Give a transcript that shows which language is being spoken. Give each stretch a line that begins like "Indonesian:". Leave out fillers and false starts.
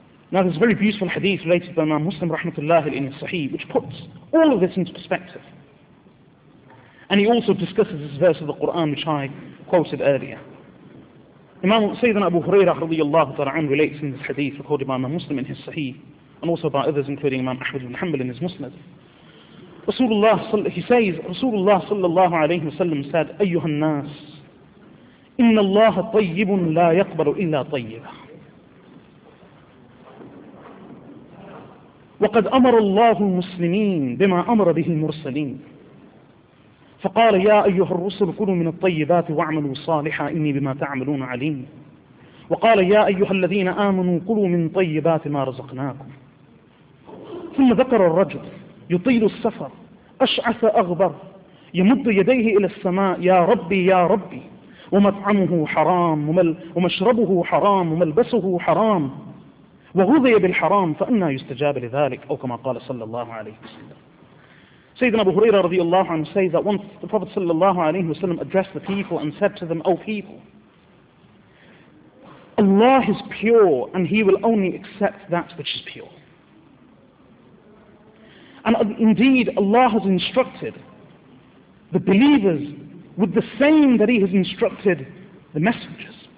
English: Now there's a very beautiful hadith related by Imam Muslim rahmatullahi in his Sahih, which puts all of this into perspective. And he also discusses this verse of the Quran which I quoted earlier. Imam Sayyidina Abu Hurairah radiyallahu ta'ala an relates in this hadith recorded by Imam Muslim in his Sahih and also by others including Imam Ahmad ibn Hanbal in his Musnad. Rasulullah, he says, Rasulullah sallallahu alayhi wa sallam said,
Arabic: أَيُّهَا النَّاسِ إِنَّ اللَّهَ طَيِّبٌ لَا يَقْبَرُ إِلَّا طَيِّبًا وَقَدْ أَمَرَ اللَّهُ الْمُسْلِمِينَ بِمَا أَمَرَ بِهِ الْمُرْسَلِينَ فقال يا أيها الرسل كلوا من الطيبات واعملوا صالحا إني بما تعملون عليم وقال يا أيها الذين آمنوا كلوا من طيبات ما رزقناكم ثم ذكر الرجل يطيل السفر أشعث أغبر يمد يديه إلى السماء يا ربي يا ربي ومطعمه حرام ومشربه حرام وملبسه حرام وغذي بالحرام فأنى يستجاب لذلك أو كما قال صلى الله عليه وسلم.
English: Sayyidina Abu Hurairah radiallahu anhu says that once the Prophet sallallahu alayhi wa sallam addressed the people and said to them, O people, Allah is pure and He will only accept that which is pure. And indeed, Allah has instructed the believers with the same that He has instructed the messengers.